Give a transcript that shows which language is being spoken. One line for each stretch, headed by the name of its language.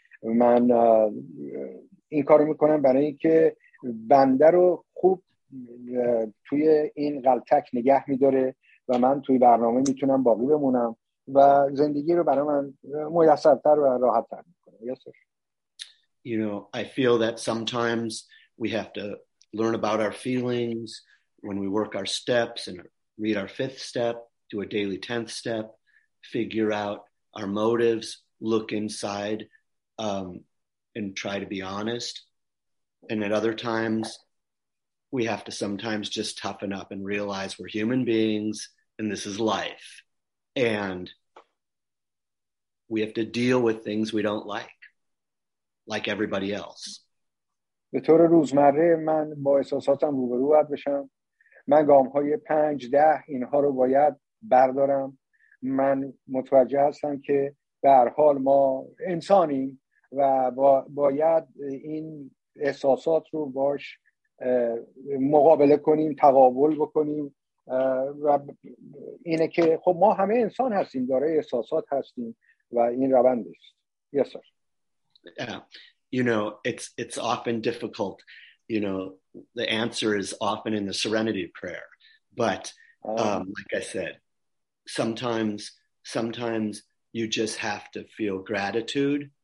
Persian: من این کارو میکنم برای اینکه بنده رو خوب توی این غلطک نگه میداره و من توی برنامه میتونم باقی بمونم و زندگی رو برای من میسرتر و راحت تر میکنه.
English: Yes, sir. You know, I feel that sometimes we have to learn about our feelings when we work our steps and read our fifth step, do a daily tenth step, figure out our motives, look inside and try to be honest. And at other times, we have to sometimes just toughen up and realize we're human beings and this is life. And we have to deal with things we don't like everybody else.
Persian: به طور روزمره من با احساساتم روبرو بشم. من گام‌های 5 10 اینها رو باید بردارم. من متوجه هستم که به هر حال ما انسانیم و باید این احساسات رو باش مقابله کنیم، تقابل بکنیم و اینه که خب ما همه انسان هستیم، داره احساسات هستیم و این روند است.
English: Yes, sir. You know, it's often difficult. You know, the answer is often in the serenity prayer. But like I said, sometimes you just have to feel gratitude